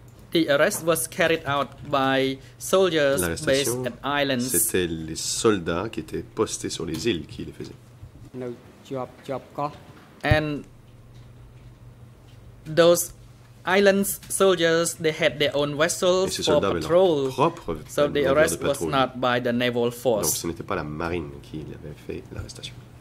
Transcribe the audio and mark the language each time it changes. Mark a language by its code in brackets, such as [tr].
[en] The arrest was carried out by soldiers based at islands. [fr] C'était les soldats qui étaient postés sur les îles qui les faisaient. No job, job call. [en] And those islands soldiers, they had their own vessels for patrol. So the arrest was not by the naval force. [fr] Donc ce n'était pas la marine qui avait fait l'arrestation.